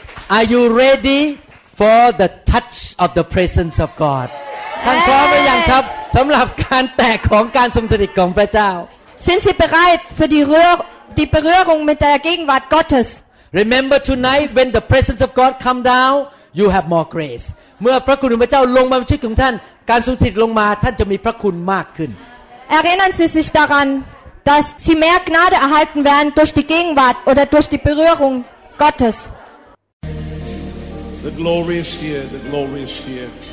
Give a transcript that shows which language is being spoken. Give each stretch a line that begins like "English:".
English: Are you ready for the touch of the presence of God?
Thai: ท่านพร้อมหรือยังครับสำหรับการแตกของการทรงสถิตของพระเจ้า
German: Sind Sie bereit für die Berührung mit der Gegenwart Gottes?
English: Remember tonight when the presence of God come down, you have more grace.
Thai: เมื่อพระคุณของพระเจ้าลงมาในชีวิตของท่านการทรงสถิตลงมาท่านจะมีพระคุณมากขึ้น
German: Erinnern Sie sich daran, dass Sie mehr Gnade erhalten werden durch die Gegenwart oder durch die Berührung Gottes.
English: The glory is here, the glory is here.